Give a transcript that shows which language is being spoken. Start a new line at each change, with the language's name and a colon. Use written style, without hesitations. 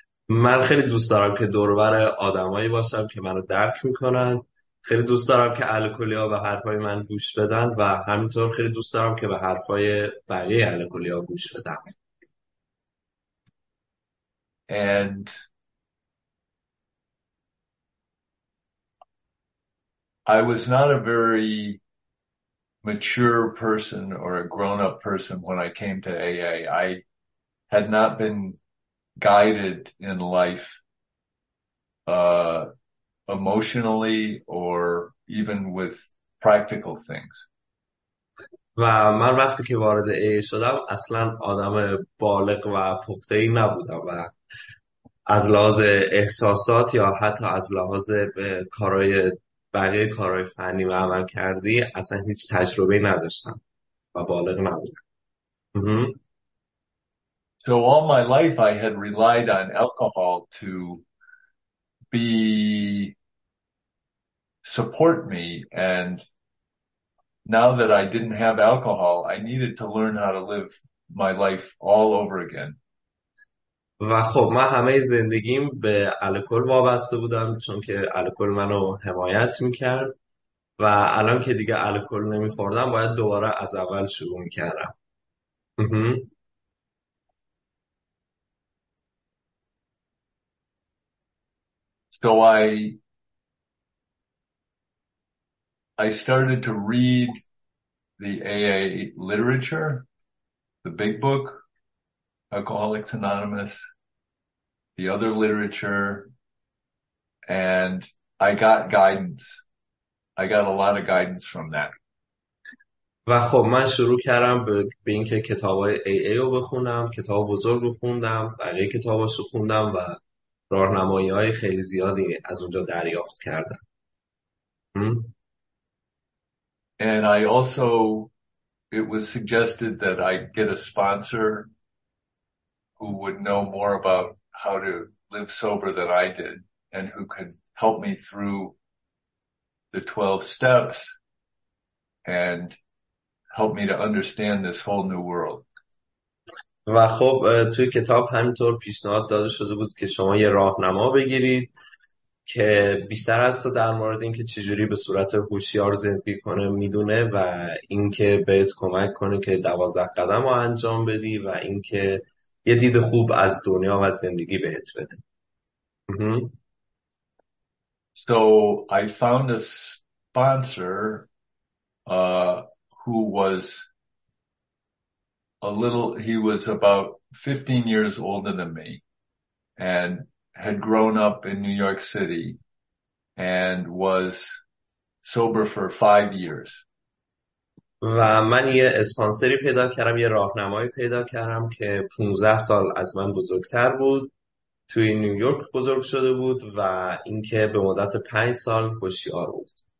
Persian: من خیلی دوست دارم که دوربر آدمایی باشم که منو درک میکنن. خیلی دوست دارم که الکلیا به حرفای من گوش بدن و همینطور خیلی دوست دارم که به حرفای بقیه الکلیا گوش بدن.
English: And I was not a very mature person or a grown-up person when I came to AA. I had not been guided in life emotionally or even with practical things.
Persian: و من وقتی که وارد AA شدم اصلا آدم بالغ و پخته‌ای نبودم و از لحاظ احساسات یا حتی از لحاظ کارهای بقیه کارهای فنی و عمل کردی اصلا هیچ تجربه نداشتم و بالغ نبودم.
English: So all my life I had relied on alcohol to be support me, and now that I didn't have alcohol, I needed to learn how to live my life all over again.
Persian: و خب من همه زندگیم به الکل وابسته بودم چون که الکل منو حمایت میکرد و الان که دیگه الکل نمیخوردم باید دوباره از اول شروع میکردم.
English: So I started to read the AA literature, the big book, Alcoholics Anonymous, the other literature, and I got guidance. I got a lot of guidance from that.
Persian: و خب من شروع کردم به اینکه کتاب‌های AA رو بخونم، کتاب بزرگ رو خوندم، بقیه کتاب‌هاش رو خوندم و راهنمایی های خیلی زیادی از اونجا دریافت کردم.
English: And I also, it was suggested that I get a sponsor who would know more about how to live sober than I did and who could help me through the 12 steps and help me to understand this whole new world.
Persian: و خب توی کتاب همینطور پیشنهاد داده شده بود که شما یه راهنما بگیرید که بیشتر از تو در مورد این که چجوری به صورت هوشیار زندگی کنه میدونه و اینکه بهت کمک کنه که 12 قدم رو انجام بدی و اینکه یه دید خوب از دنیا و زندگی بهت بده.
English: So I found a sponsor who was a little, he was about 15 years older than me and had grown up in New York City and was sober for 5 years.
Persian: و من یه اسپانسری پیدا کردم، یه راهنمایی پیدا کردم که 15 سال از من بزرگتر بود توی نیویورک بزرگ شده بود و اینکه به مدت 5 سال هوشیار بود.